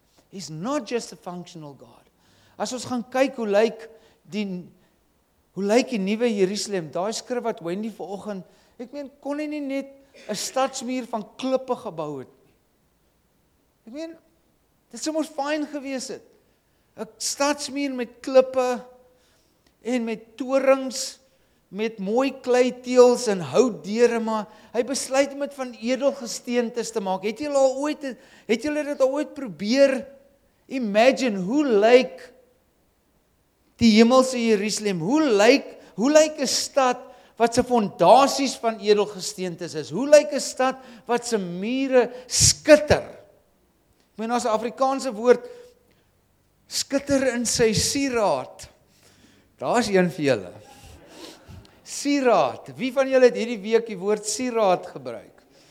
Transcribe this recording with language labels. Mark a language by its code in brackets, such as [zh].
[en] He's not just a functional God. [af] As ons gaan kyk hoe lyk die nuwe Jerusalem, daai skrif wat Wendy vanoggend, ek meen, kon hy nie net 'n stadsmuur van klippe gebou het nie. Ek meen, dit sou mos fyn gewees het. 'N stadsmuur met klippe en met torings met mooi kleiteels en houtdeure, maar hy besluit om dit van edelgesteentes te maak. Het julle dit al ooit probeer imagine hoe lyk die hemelse Jerusalem? Hoe lyk 'n stad wat se fondasies van edelgesteentes is? Hoe lyk 'n stad wat se mure skitter? Ek meen, as 'n Afrikaanse woord skitter in sy sieraad. Daar's een vir julle. Sieraad. Wie van julle het hierdie week die woord sieraad gebruik?